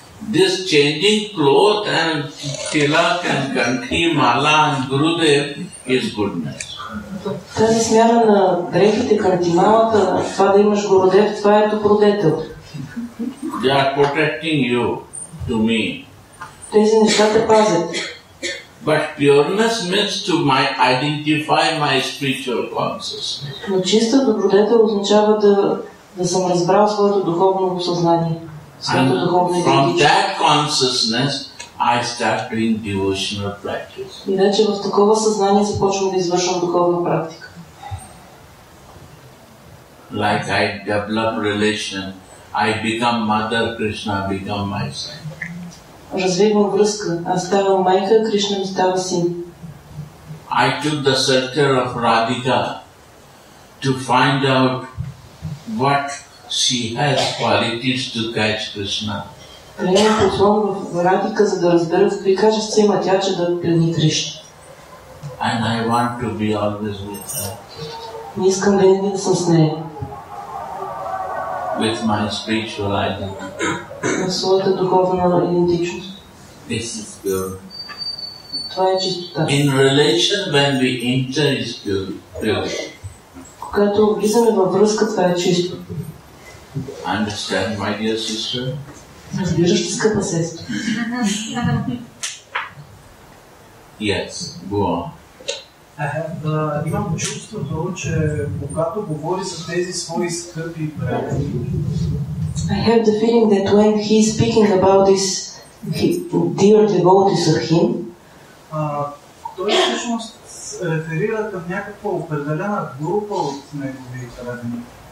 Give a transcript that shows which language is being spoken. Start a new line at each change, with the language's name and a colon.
English: This changing cloth and tilak and kanti, mala and gurudev is goodness.
Bulgarian: Тази смяна на дрехите, картималата, това да имаш гурудев, това е добродетел.
English: They are protecting you to me.
Bulgarian: Тези неща те пазят.
English: But pureness means to my identify my spiritual consciousness.
Bulgarian: Но чиста добродетел означава да съм разбрал своето духовно съзнание.
English: And from that consciousness, I start doing devotional practice.
Bulgarian: И вече в такова съзнание започвам да извършвам духовна практика.
English: Like I develop relation, I become mother, Krishna become my son.
Bulgarian: Развивам връзка, аз ставам майка, Кришна ми става син.
English: I took the shelter of Radhika to find out what she has qualities to catch Krishna.
Bulgarian: Приемах услон в Радика, за да разбера в какви качества има тя, че да плени Кришна.
English: And I want to be always with her.
Bulgarian: Не искам да винаги да съм с нея.
English: With my spiritual identity.
Bulgarian: На своята духовна идентичност.
English: This is pure.
Bulgarian: Това е чистота.
English: In relation when we enter is pure.
Bulgarian: Когато влизаме във връзка, това е чисто.
English: Understand, my dear sister?
Bulgarian: Разбираш ли, скъпа сестра?
English: Yes, go on.
Bulgarian: Имам чувството, че когато говори с тези свои скъпи предани...
English: I have the feeling that when he is speaking about this dear devotees of him...
Bulgarian: Той всъщност реферира към някаква определена група от негови предани.